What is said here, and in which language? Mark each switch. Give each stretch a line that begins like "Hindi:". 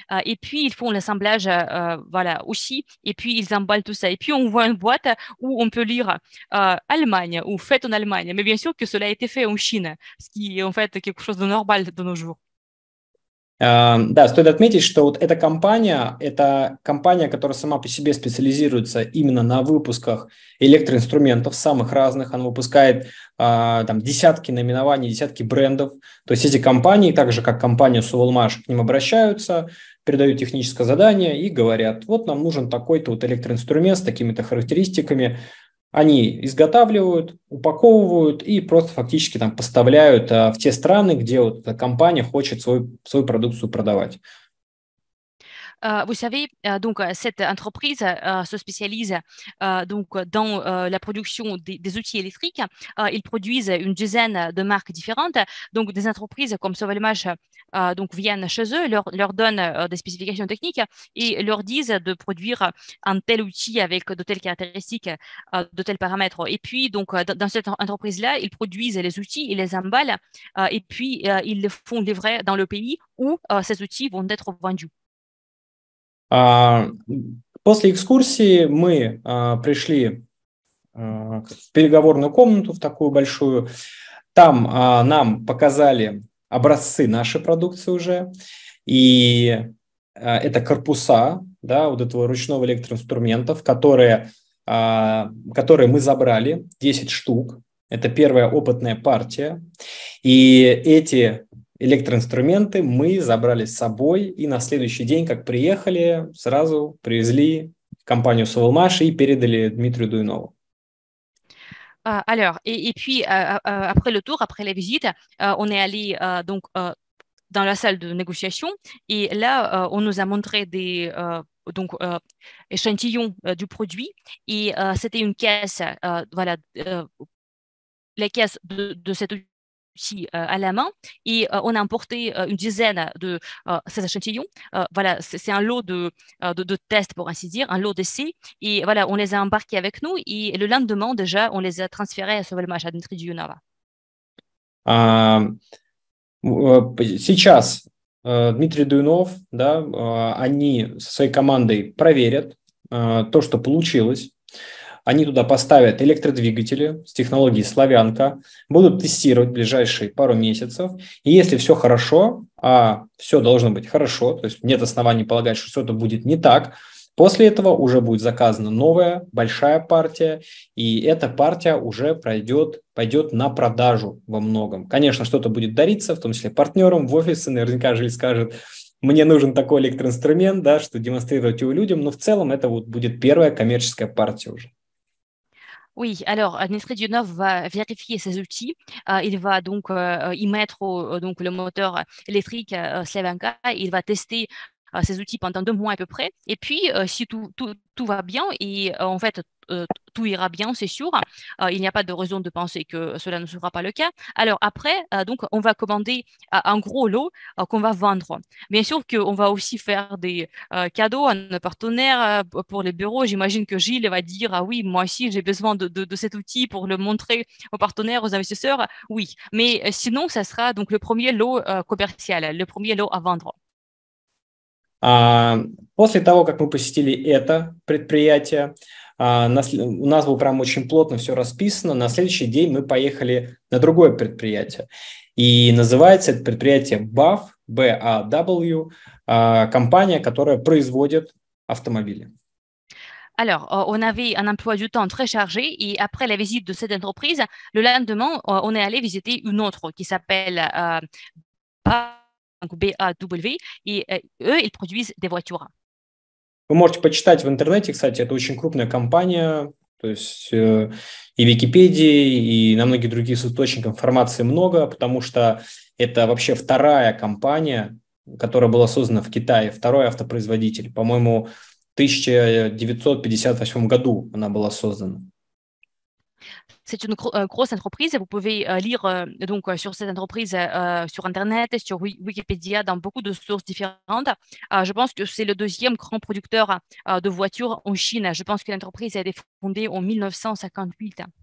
French: Et puis, ils font l'assemblage voilà, aussi. Et puis, ils emballent tout ça. Et puis, on voit une boîte où on peut lire Allemagne ou fait en Allemagne. Mais bien sûr que cela a été fait en Chine, ce qui est en fait quelque chose de normal de nos jours.
Russian: Да, стоит отметить, что вот эта компания, которая сама по себе специализируется именно на выпусках электроинструментов самых разных. Она выпускает там десятки наименований, десятки брендов. То есть эти компании, так же как компания Сувалмаш, к ним обращаются, передают техническое задание и говорят, вот нам нужен такой-то вот электроинструмент с такими-то характеристиками. Они изготавливают, упаковывают и просто фактически там поставляют в те страны, где вот эта компания хочет свою продукцию продавать.
French: Vous savez, donc, cette entreprise se spécialise donc, dans la production des outils électriques. Ils produisent une dizaine de marques différentes. Donc, des entreprises comme Sauvelmage donc, viennent chez eux, leur donnent des spécifications techniques et leur disent de produire un tel outil avec de telles caractéristiques, de tels paramètres. Et puis, donc, dans cette entreprise-là, ils produisent les outils, ils les emballent et puis ils les font livrer dans le pays où ces outils vont être vendus.
Russian: После экскурсии мы пришли в переговорную комнату, в такую большую. Там нам показали образцы нашей продукции уже. И это корпуса, да, вот этого ручного электроинструмента, которые мы забрали, 10 штук. Это первая опытная партия. И эти электроинструменты мы забрали с собой и на следующий день, как приехали, сразу привезли в компанию Сувалмаш и передали Дмитрию Дуйнову.
French: Alors, et puis, après le tour, après la visite, on est allé donc, dans la salle de négociation et là, on nous a montré des donc, échantillons du produit et c'était une caisse, voilà, la caisse de cette à la main et on a emporté une dizaine de ces échantillons. Voilà, c'est un lot de tests pour ainsi dire, un lot d'essais et voilà, on les a embarqués avec nous et le lendemain déjà, on les a transférés à Sauvelmage, à Dmitri Dionava.
Russian: Сейчас Дмитрий Дуйнов, да, они со своей командой проверят то, что получилось. Они туда поставят электродвигатели с технологией «Славянка», будут тестировать ближайшие пару месяцев. И если все хорошо, а все должно быть хорошо, то есть нет оснований полагать, что что-то будет не так, после этого уже будет заказана новая большая партия, и эта партия уже пойдет на продажу во многом. Конечно, что-то будет дариться, в том числе партнерам в офисе, наверняка же скажет, мне нужен такой электроинструмент, да, что демонстрировать его людям, но в целом это вот будет первая коммерческая партия уже.
French: Oui, alors Dmitri Dionov va vérifier ses outils. Il va donc y mettre donc le moteur électrique Slavanka. Il va tester ses outils pendant 2 mois à peu près. Et puis, si tout va bien et en fait tout ira bien, c'est sûr. Il n'y a pas de raison de penser que cela ne sera pas le cas. Alors après, donc on va commander un gros lot qu'on va vendre. Bien sûr qu'on va aussi faire des cadeaux à nos partenaires pour les bureaux. J'imagine que Gilles va dire, ah oui, moi aussi, j'ai besoin de cet outil pour le montrer aux partenaires, aux investisseurs. Oui, mais sinon, ça sera donc le premier lot commercial, le premier lot à vendre.
Russian: После того, как мы посетили это предприятие, у нас было прям очень плотно все расписано. На следующий день мы поехали на другое предприятие. И называется это предприятие BAW, B-A-W, компания, которая производит автомобили.
French: Alors, on avait un emploi du temps très chargé et après la visite de cette entreprise, le lendemain, on est allé visiter une autre qui s'appelle BAW, et eux, ils produisent des voitures.
Russian: Вы можете почитать в интернете, кстати, это очень крупная компания, то есть и в Википедии, и на многих других источниках информации много, потому что это вообще вторая компания, которая была создана в Китае, второй автопроизводитель. По-моему, в 1958 году она была создана.
French: C'est une grosse entreprise. Vous pouvez lire donc sur cette entreprise sur Internet, sur Wikipédia, dans beaucoup de sources différentes. Je pense que c'est le deuxième grand producteur de voitures en Chine. Je pense que l'entreprise a été fondée en 1958.